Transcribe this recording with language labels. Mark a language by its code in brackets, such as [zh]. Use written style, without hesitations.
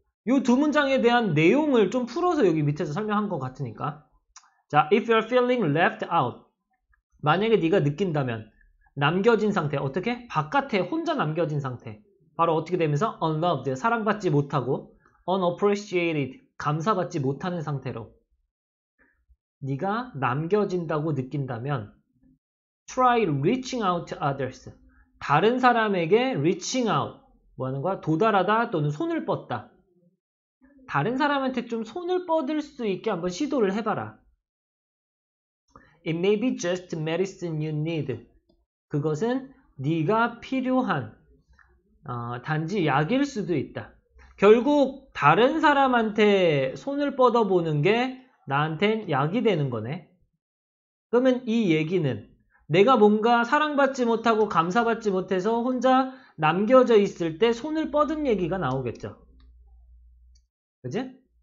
[ko] 요두 문장에 대한 내용을 좀 풀어서 여기 밑에서 설명한 것 같으니까. 자, [en] if you're feeling left out, [ko] 만약에 네가 느낀다면 남겨진 상태, 어떻게? 바깥에 혼자 남겨진 상태. 바로 어떻게 되면서? unloved, 사랑받지 못하고, unappreciated, 감사받지 못하는 상태로. 네가 남겨진다고 느낀다면 [en] try reaching out to others. [ko] 다른 사람에게 reaching out. 뭐 하는 거야? 도달하다 또는 손을 뻗다. 다른 사람한테 좀 손을 뻗을 수 있게 한번 시도를 해봐라. [en] It may be just medicine you need. [ko] 그것은 네가 필요한 단지 약일 수도 있다. 결국 다른 사람한테 손을 뻗어보는 게 나한텐 약이 되는 거네. 그러면 이 얘기는 내가 뭔가 사랑받지 못하고 감사받지 못해서 혼자 남겨져 있을 때 손을 뻗은 얘기가 나오겠죠. 그지?